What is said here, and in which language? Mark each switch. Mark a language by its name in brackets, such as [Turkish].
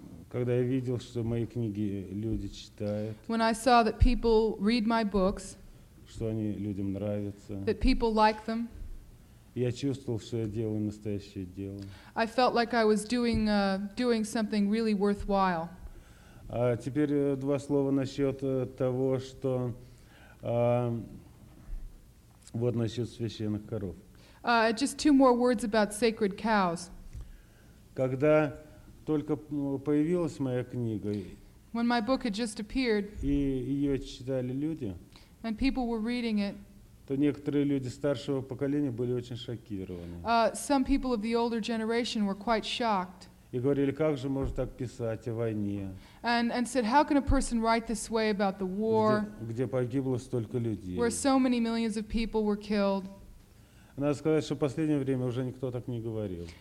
[Russian] Когда я видел, что мои книги люди читают. [English] When I saw that people read my books. [Russian] Что они людям нравятся. [English] That people like them. [Russian] Я чувствовал, что я делаю настоящее дело. [English] I felt like I was doing something really worthwhile. [Russian] А теперь два слова насчет того, что вот насчет священных коров. [English] Just two more words about sacred cows. [Russian] Когда только появилась моя книга. [English] When my book had just appeared. [Russian] И ее читали люди. [English] And people were reading it. [Russian] То некоторые люди старшего поколения были очень шокированы. [English] Some people of the older generation were quite shocked. [Russian] И говорили, как же можно так писать о войне? [English] And said, how can a person write this way about the war? [Russian] Где погибло столько людей? [English] Where so many millions of people were killed. [Russian] Надо сказать, что в последнее время уже никто так не говорил.